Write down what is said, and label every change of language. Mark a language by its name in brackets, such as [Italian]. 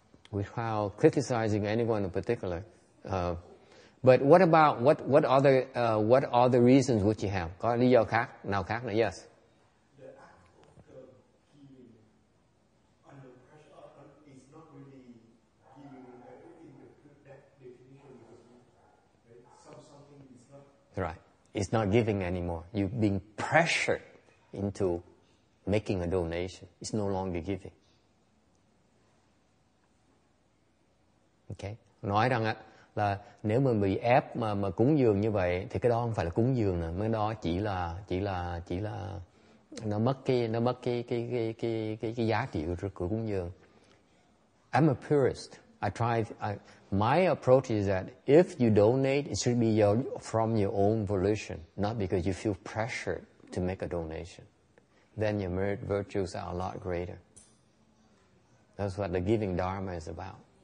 [English] Without criticizing anyone in particular, but what about what are the reasons which you have? [Vietnamese] Có lý do khác nào khác nữa? [English] Yes. Right. It's not giving anymore. You've been pressured into making a donation. It's no longer giving. Okay. [Vietnamese] Nói rằng là nếu mà bị ép mà cúng dường như vậy thì cái đó không phải là cúng dường nữa, mới đó chỉ là nó mất cái giá trị của cúng dường. [English] I'm a purist. My approach is that if you donate, it should be from your own volition, not because you feel pressured to make a donation. Then your merit virtues are a lot greater. That's what the giving dharma is about.